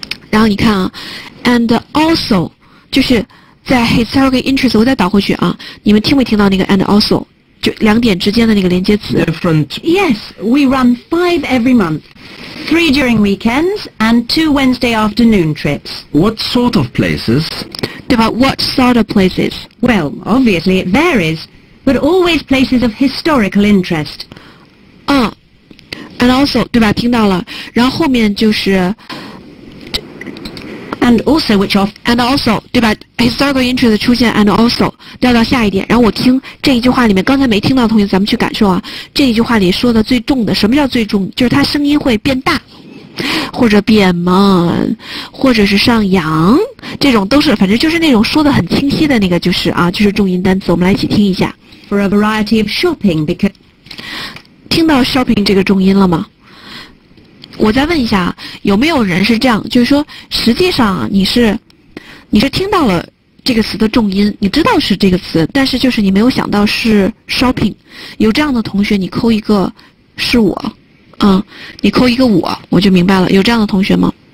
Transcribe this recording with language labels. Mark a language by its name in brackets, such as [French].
[Chinese] 然后你看啊 [English] and also [Chinese] 就是在 [English] historical interest [Chinese] 我再倒回去啊你们听没听到那个 and also 就两点之间的那个连接词 [English] different yes we run 5 every month 3 during weekends and 2 Wednesday afternoon trips what sort of places [Chinese] 对吧 [English] what sort of places well obviously it varies but always places of historical interest 啊And also, [Chinese] 对吧？听到了。然后后面就是 [English] ，and also which of and also, [Chinese] 对吧 [English] ？historical interest [Chinese] 出现 [English] and also [Chinese] 调到下一点。然后我听这一句话里面，刚才没听到的同学，咱们去感受啊。这一句话里说的最重的，什么叫最重？就是它声音会变大，或者变慢，或者是上扬，这种都是，反正就是那种说的很清晰的那个，就是啊，就是重音单词。我们来一起听一下。 [English] For a variety of shopping, because [Chinese] 听到 shopping 这个重音了吗？我再问一下，有没有人是这样？就是说，实际上你是听到了这个词的重音，你知道是这个词，但是就是你没有想到是 shopping。有这样的同学，你扣一个是我，嗯，你扣一个我，我就明白了。有这样的同学吗？